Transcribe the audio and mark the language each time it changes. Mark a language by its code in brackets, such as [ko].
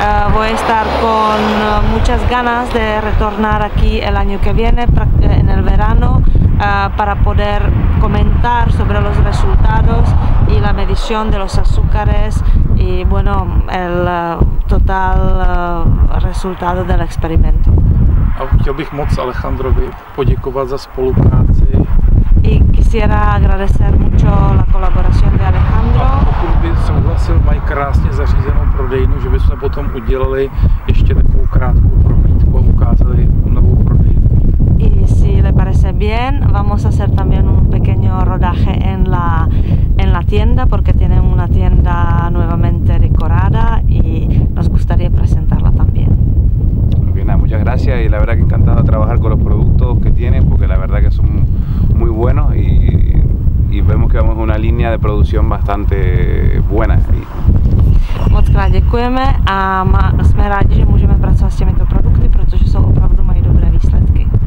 [es] Voy a estar con muchas ganas de retornar aquí el año que viene, en el verano, para poder comentar sobre los resultados y la medición de los azúcares y, bueno, el total resultado del experimento. [cs] A chtěl bych moc Alejandrovi poděkovat za spolupráci. [es] Y quisiera agradecer mucho la colaboración de Alejandro. [cs] A pokud by souhlasil, mají krásně zařízenou prodejnu, že bychom potom udělali ještě takovou krátkou prohlídku a ukázali novou prodejnu. [es] Y si le parece bien, vamos a hacer también un pequeño rodaje en la tienda, porque tienen una tienda nuevamente decorada y nos gustaría presentarla también. Muy bien, muchas gracias, y la verdad que encantado de trabajar con los productos que tienen, porque la verdad verdad que son muy buenos y vemos que vamos en una línea de producción bastante buena. [cs] Moc krát děkujeme a jsme rádi, že můžeme pracovat s těmito produkty, protože jsou opravdu mají dobré výsledky.